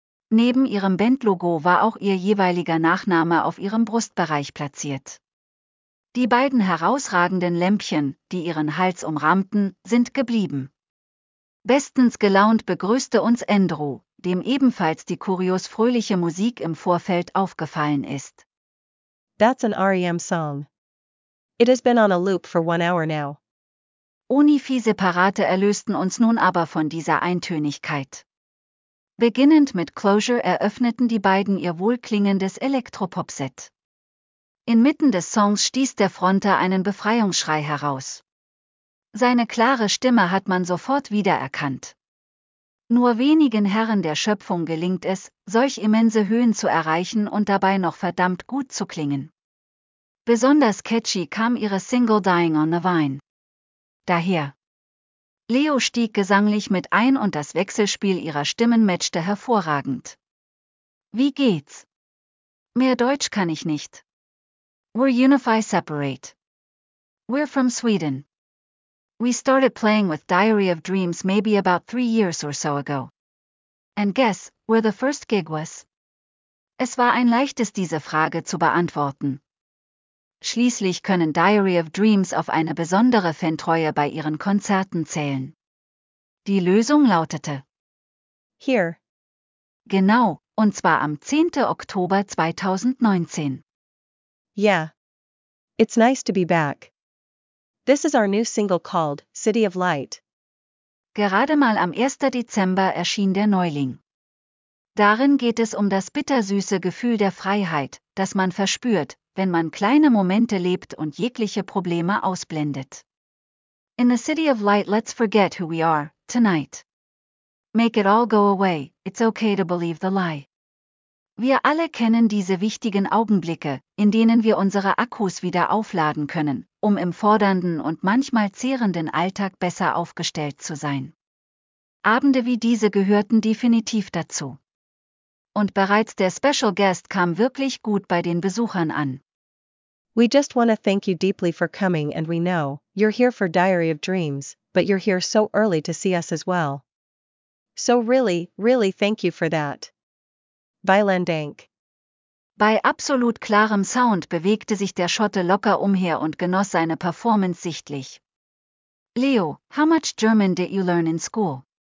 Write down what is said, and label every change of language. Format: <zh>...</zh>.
<de>Neben ihrem Bandlogo war auch ihr jeweiliger Nachname auf ihrem Brustbereich platziert. Die beiden herausragenden Lämpchen, die ihren Hals umrahmten, sind geblieben. Bestens gelaunt begrüßte uns Andrew, dem ebenfalls die kurios fröhliche Musik im Vorfeld aufgefallen ist.</de> <en>That's an REM song. It has been on a loop for 1 hour now.</en> <de>Unifiese Parate erlösten uns nun aber von dieser Eintönigkeit. Beginnend mit Closure eröffneten die beiden ihr wohlklingendes Elektropop-Set. Inmitten des Songs stieß der Fronter einen Befreiungsschrei heraus. Seine klare Stimme hat man sofort wiedererkannt. Nur wenigen Herren der Schöpfung gelingt es, solch immense Höhen zu erreichen und dabei noch verdammt gut zu klingen. Besonders catchy kam ihre Single Dying on the Vine. Daher. Leo stieg gesanglich mit ein und das Wechselspiel ihrer Stimmen matchte hervorragend. Wie geht's? Mehr Deutsch kann ich nicht.</de> <en>We're Unify Separate. We're from Sweden. We started playing with Diary of Dreams maybe about 3 years or so ago. And guess where the first gig was?</en> <de>Es war ein leichtes, diese Frage zu beantworten. Schließlich können Diary of Dreams auf eine besondere Fantreue bei ihren Konzerten zählen. Die Lösung lautete:</de> <en>Here.</en> <de>Genau, und zwar am 10. Oktober 2019.</de> <en>Yeah. It's nice to be back. This is our new single called City of Light.</en> <de>Gerade mal am 1. Dezember erschien der Neuling. Darin geht es um das bittersüße Gefühl der Freiheit, das man verspürt, wenn man kleine Momente lebt und jegliche Probleme ausblendet.</de> <en>In the city of light, let's forget who we are, tonight. Make it all go away, it's okay to believe the lie.</en> <de>Wir alle kennen diese wichtigen Augenblicke, in denen wir unsere Akkus wieder aufladen können, um im fordernden und manchmal zehrenden Alltag besser aufgestellt zu sein. Abende wie diese gehörten definitiv dazu. Und bereits der Special Guest kam wirklich gut bei den Besuchern an.</de> <en>We just want to thank you deeply for coming and we know, you're here for Diary of Dreams, but you're here so early to see us as well. So really, really thank you for that.</en> <de>Vielen Dank. Bei absolut klarem Sound bewegte sich der Schotte locker umher und genoss seine Performance sichtlich.</de> <en>Leo, how much German did you learn in school?</en>